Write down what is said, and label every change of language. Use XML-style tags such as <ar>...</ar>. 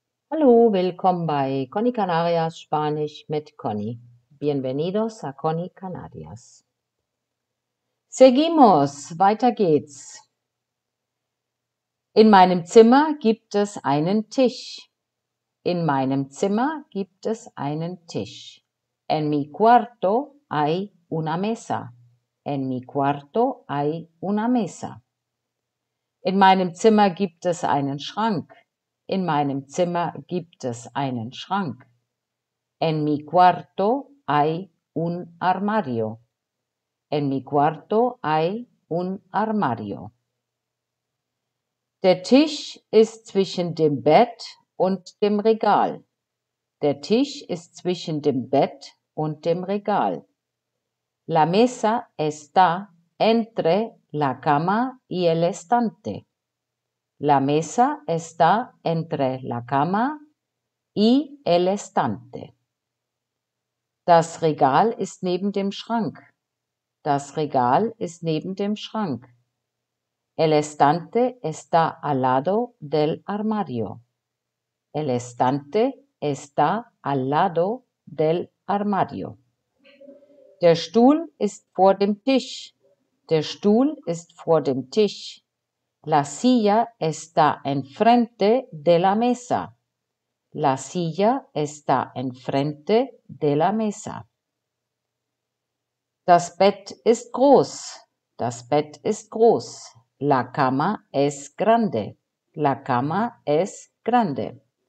<de>Hallo, willkommen bei Conny Canarias Spanisch mit Conny.</de> <es>Bienvenidos a Conny Canarias. Seguimos,</es> <de>weiter geht's. In meinem Zimmer gibt es einen Tisch. In meinem Zimmer gibt es einen Tisch.</de> <es>En mi cuarto hay una mesa. En mi cuarto hay una mesa.</es> <de>In meinem Zimmer gibt es einen Schrank. In meinem Zimmer gibt es einen Schrank.</de> <es>En mi cuarto hay un armario. En mi cuarto hay un armario.</es> <de>Der Tisch ist zwischen dem Bett und dem Regal. Der Tisch ist zwischen dem Bett und dem Regal.</de> <es>La mesa está entre la cama y el estante. La mesa está entre la cama y el estante.</es> <de>Das Regal ist neben dem Schrank. Das Regal ist neben dem Schrank.</de> <es>El estante está al lado del armario. El estante está al lado del armario.</es> <de>Der Stuhl ist vor dem Tisch. Der Stuhl ist vor dem Tisch.</de> <es>La silla está enfrente de la mesa. La silla está enfrente de la mesa.</es> <de>Das Bett ist groß. Das Bett ist groß.</de> <es>La cama es grande. La cama es grande.</es>